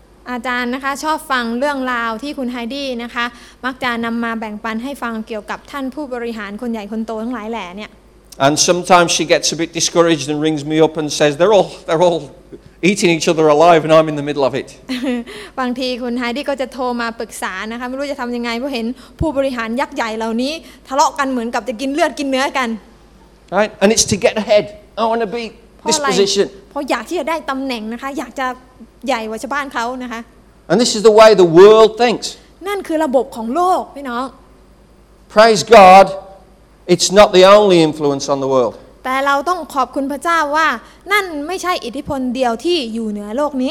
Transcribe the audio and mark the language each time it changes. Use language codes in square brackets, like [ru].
[th] อาจารย์นะคะชอบฟังเรื่องราวที่คุณไฮดี้นะคะมักจะนำมาแบ่งปันให้ฟังเกี่ยวกับท่านผู้บริหารคนใหญ่คนโตทั้งหลายแหล่เนี่ย [en] And sometimes she gets a bit discouraged and rings me up and says they're all eating each other alive and I'm in the middle of it [th] บางทีคุณไฮดี้ก็จะโทรมาปรึกษานะคะไม่รู้จะทำยังไงเพราะเห็นผู้บริหารยักษ์ใหญ่เหล่านี้ทะเลาะกันเหมือนกับจะกินเลือดกินเนื้อกัน [en] Right and it's to get ahead I want to be this position [th] เพราะอยากที่จะได้ตำแหน่งนะคะอยากจะใหญ่กว่าชาวบ้านเขานะคะ [en] And this is the way the world thinks [th] นั่นคือระบบของโลกพี่น้อง [en] Praise God it's not the only influence on the world [th] แต่เราต้องขอบคุณพระเจ้าว่านั่นไม่ใช่อิทธิพลเดียวที่อยู่เหนือโลกนี